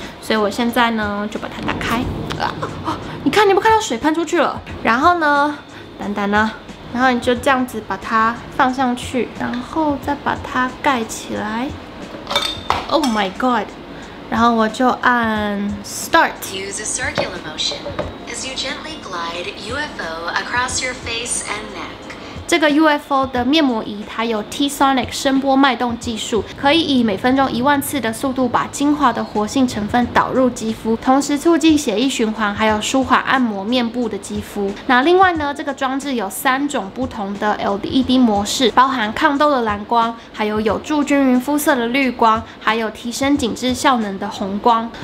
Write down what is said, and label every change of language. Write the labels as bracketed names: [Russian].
[Chinese] 所以我现在呢就把它打开。你看，你不看到水喷出去了？然后呢，然后你就这样子把它放上去，然后再把它盖起来。 [English] Oh my god！ [Chinese] 然后我就按 start。 [English] Use a circular motion as you gently glide UFO across your face and neck。 [Chinese] 这个 UFO 的面膜仪它有 T-Sonic 声波脉动技术，可以以每分钟10000次的速度把精华的活性成分导入肌肤，同时促进血液循环，还有舒缓按摩面部的肌肤。那另外呢，这个装置有三种不同的 LED 模式，包含抗痘的蓝光，还有有助均匀肤色的绿光，还有提升紧致效能的红光。